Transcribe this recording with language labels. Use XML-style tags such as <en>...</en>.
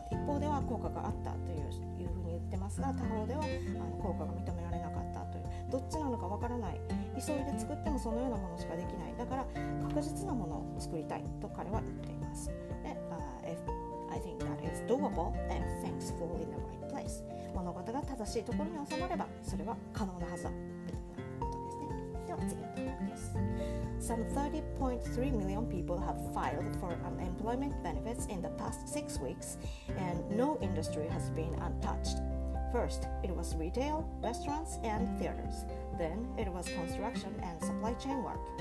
<ja>一方では効果があったというふうに言ってますが、他方では効果が認められなかったという、どっちなのかわからない、急いで作ってもそのようなものしかできない、だから確実なものを作りたいと彼は言っています。</ja> <en>で、I think that is doable and things fall in the right place.</en> <ja>物事が正しいところに収まればそれは可能なはずだということですね。では次のトピックです。</ja> <en>Some 30.3 million people have filed for unemployment benefits in the past 6 weeks, and no industry has been untouched. First, it was retail, restaurants, and theaters. Then, it was construction and supply chain work.</en>